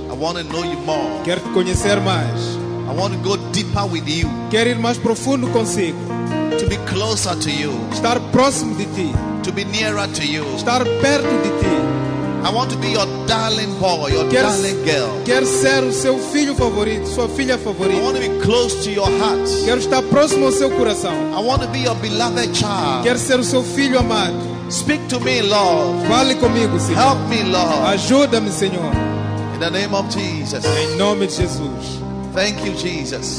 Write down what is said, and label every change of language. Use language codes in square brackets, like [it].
[en] I want to know you more. [pt] Quero te conhecer mais. [en] I want to go deeper with you. [pt] Quero ir mais profundo consigo. [en] To be closer to you. [pt] Estar próximo de ti. [en] To be nearer to you. [pt] Estar perto de ti. [en] I want to be your darling boy, your darling girl. [pt] Quero ser o seu filho favorito, sua filha favorita. [en] I want to be close to your heart. [pt] Quero estar próximo ao seu coração. [en] I want to be your beloved child. [pt] Quero ser o seu filho amado. [en] Speak to me, Lord. [pt] Fale comigo, Senhor. [en] Help me, Lord. [pt] Ajuda-me, Senhor. [en] In the name of Jesus. [pt] Em nome de Jesus. [en] Thank you, Jesus.